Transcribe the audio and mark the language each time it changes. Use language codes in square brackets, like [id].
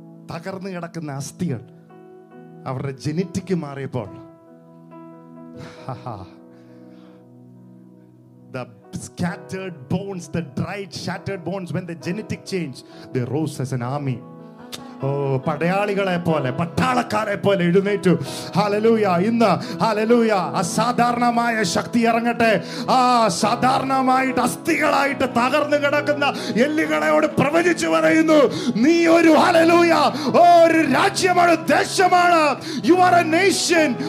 [ml] തകർന്നു കിടക്കുന്ന അസ്ഥികൾ അവരുടെ ജനറ്റിക് മാറിയപ്പോൾ the [en] scattered bones, the dried, shattered bones, when the genetic changed, they rose as an army. [ml] പടയാളികളെ പോലെ, പട്ടാളക്കാരെ പോലെ എഴുന്നേറ്റു. ഹല്ലേലൂയ. ഇന്ന് ഹല്ലേലൂയ, അസാധാരണമായ ശക്തി ഇറങ്ങട്ടെ. ആ സാധാരണമായിട്ട് അസ്ഥികളായിട്ട് തകർന്നു കിടക്കുന്ന എല്ലുകളെയോട് പ്രവചിച്ചു പറയുന്നു, നീ ഒരു ഹല്ലേലൂയ, ഒരു രാജ്യമാണ്, ദേശമാണ്. [en] You are a nation.